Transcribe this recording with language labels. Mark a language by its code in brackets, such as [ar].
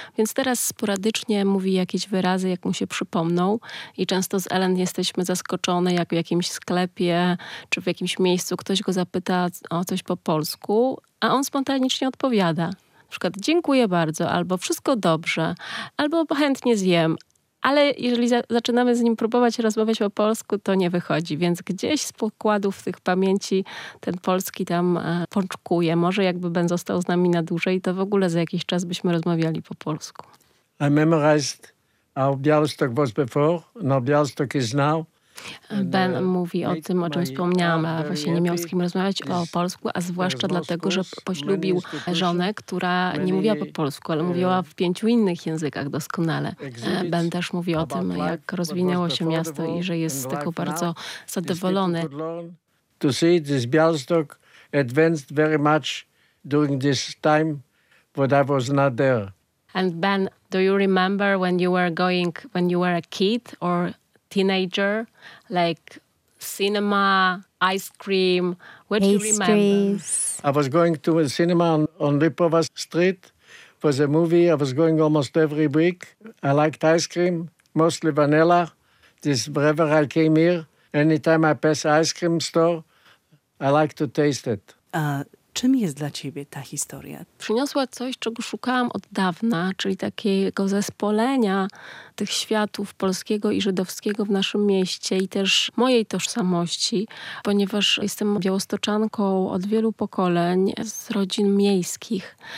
[pl] Więc teraz sporadycznie mówi jakieś wyrazy, jak mu się przypomną i często z Ellen jesteśmy zaskoczone, jak w jakimś sklepie czy w jakimś miejscu ktoś go zapyta o coś po polsku, a on spontanicznie odpowiada. Na przykład dziękuję bardzo, albo wszystko dobrze, albo chętnie zjem. Ale jeżeli zaczynamy z nim próbować rozmawiać po polsku, to nie wychodzi. Więc gdzieś z pokładów tych pamięci ten polski tam pączkuje. Może jakby będzie został z nami na dłużej, to w ogóle za jakiś czas byśmy rozmawiali po polsku. [en] I memorized our Białystok was before, and our Białystok is now. [pl] Ben mówi o tym, o czym wspomniałam, a właśnie nie miał z kim rozmawiać o polsku, a zwłaszcza dlatego, że poślubił żonę, która nie mówiła po polsku, ale mówiła w 5 innych językach doskonale. Ben też mówi o tym, jak rozwinęło się miasto i że jest z tego bardzo zadowolony. [en] To see this Białystok advanced very much during this time when I was not there. And Ben, do you remember when you were going, when you were a kid or teenager, like cinema, ice cream, what do you remember? I was going to a cinema on Lipova Street for the movie. I was going almost every week. I liked ice cream, mostly vanilla. This wherever I came here, anytime I pass an ice cream store, I like to taste it. [pl] Czym jest dla ciebie ta historia? Przyniosła coś, czego szukałam od dawna, czyli takiego zespolenia tych światów polskiego i żydowskiego w naszym mieście i też mojej tożsamości, ponieważ jestem białostoczanką od wielu pokoleń z rodzin miejskich.